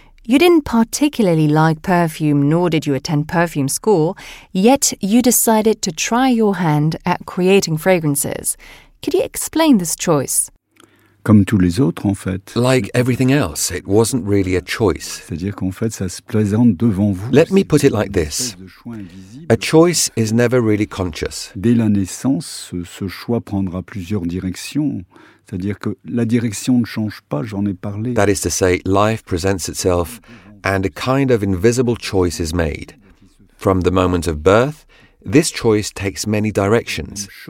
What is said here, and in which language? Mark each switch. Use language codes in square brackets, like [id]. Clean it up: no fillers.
[en] You didn't particularly like perfume, nor did you attend perfume school, yet you decided to try your hand at creating fragrances. Could you explain this choice? [fr] Comme tous les autres, en fait. [en] Like everything else, it wasn't really a choice. [fr] C'est-à-dire qu'en fait, ça se présente devant vous. [en] Let me put it like this. A choice is never really conscious. [fr] Dès la naissance, ce choix prendra plusieurs directions. C'est-à-dire que la direction ne change pas, j'en ai parlé. [en] That is to say, life presents itself and a kind of invisible choice is made. From the moment of birth, this choice takes many directions.